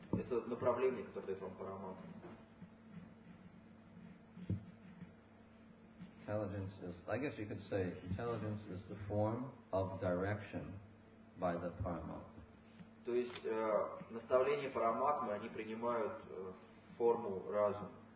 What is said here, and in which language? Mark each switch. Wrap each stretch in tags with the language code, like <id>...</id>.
<ru>Это направление, которое дает вам Парамат.</ru> <en>Intelligence is, I guess you could say, intelligence is the form of direction by the Paramatma.</en> <ru>То есть наставления Параматмы, они принимают форму разума.</ru>